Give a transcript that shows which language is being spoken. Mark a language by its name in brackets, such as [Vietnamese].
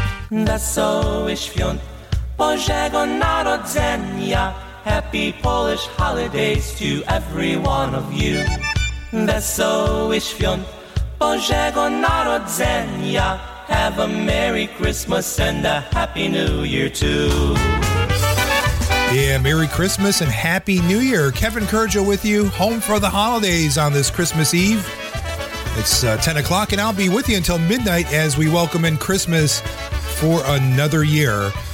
[Polish] Wesołe świąt, Bożego Narodzenia. [English] Happy Polish holidays to every one of you. [Polish] Wesołe świąt, Bożego Narodzenia. [English] Have a Merry Christmas and a Happy New Year too. Yeah, Merry Christmas and Happy New Year. Kevin Kurjo with you, home for the holidays on this Christmas Eve. It's 10 o'clock and I'll be with you until midnight as we welcome in Christmas for another year.